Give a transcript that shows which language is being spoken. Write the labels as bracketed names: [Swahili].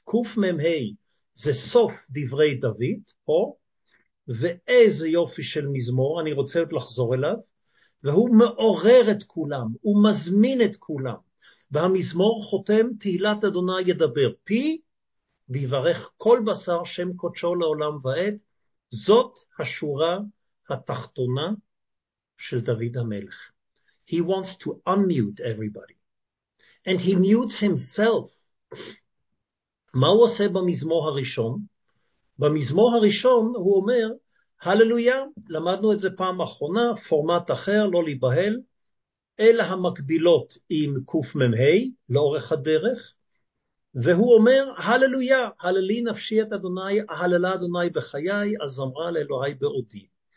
[Hebrew] קוף ממהי זה סוף דברי דוד, או, ואיזה יופי של מזמור, אני רוצה עוד לחזור אליו, והוא מעורר את כולם, הוא מזמין את כולם, והמזמור חותם, תהילת אדוני ידבר פי, ויברך כל בשר שם קודשו לעולם ועד, זאת השורה התחתונה של דוד המלך. [English] He wants to unmute everybody. And he mutes himself. [Hebrew] מה הוא עושה במזמור הראשון? במזמור הראשון הוא אומר, הללויה, למדנו את זה פעם אחרונה, פורמט אחר, לא להיבהל, אלה המקבילות עם קוף ממהי, לאורך הדרך, והוא אומר, הללויה, הללי נפשי את אדוני, הללה אדוני בחיי, אז אמרה לאלוהי בעודי.